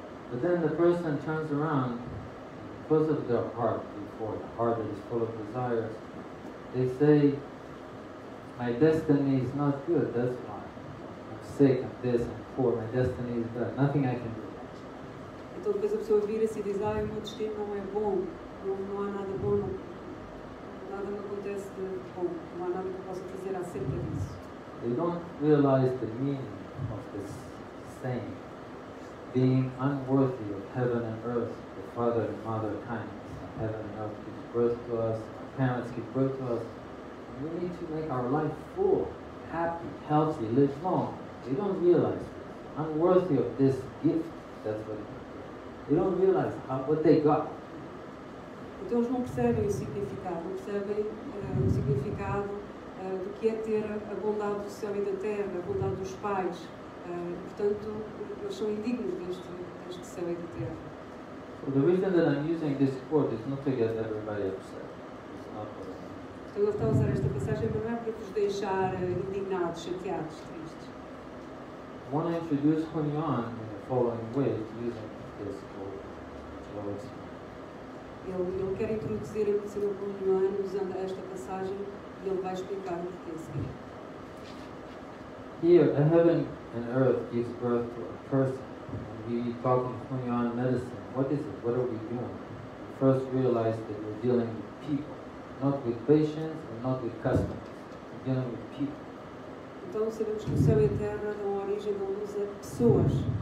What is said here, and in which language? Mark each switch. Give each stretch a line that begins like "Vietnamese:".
English: But then the person turns around because of their heart before, the heart that is full of desires, they say, my destiny is not good, that's why. I'm sick, I'm this, I'm poor, my destiny is bad, nothing I can do.
Portuguese: Então depois a pessoa vira-se e diz, ah, o meu destino não é bom, não há nada bom. Nada me acontece de bom, não há nada que eu possa fazer acerca disso.
English: They don't realize the meaning of this saying, being unworthy of heaven and earth, the father and mother kindness. Heaven and earth give birth to us, our parents give birth to us. We need to make our life full, happy, healthy, live long. They don't realize unworthy of this gift, that's what it is. They don't realize what they got.
Portuguese: Então eles não percebem o significado, não percebem o significado do que é ter a bondade do céu e da terra, a bondade dos pais. Portanto, eles são indignos deste céu e da terra.
English: So the reason that I'm using this quote is not to get everybody upset. It's not what I mean.
Portuguese: Então ele está a usar esta passagem, mas não é para vos deixar indignados, chateados, tristes.
English: I want to introduce Hunyuan in the following way, using this quote.
Portuguese: Ele quer introduzir a pessoa com um ano usando esta passagem e ele vai explicar o que é seguir.
English: Here, the heaven and earth gives birth to a person. And we talk in Hunyuan medicine. What is it? What are we doing? We first realize that we're dealing with people, not with patients and not with customers. We're dealing with people.
Portuguese: Então sabemos que o céu e a terra dão origem, dão luz a pessoas.